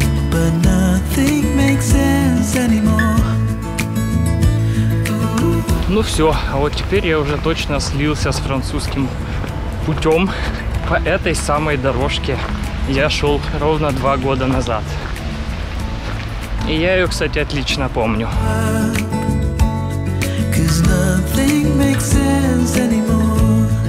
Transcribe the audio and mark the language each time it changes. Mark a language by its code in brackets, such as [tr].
[en] But nothing makes sense anymore. [ru] Ну все, а вот теперь я уже точно слился с французским путем. По этой самой дорожке я шел ровно 2 года назад. И я ее, кстати, отлично помню. [en] 'Cause nothing makes sense anymore.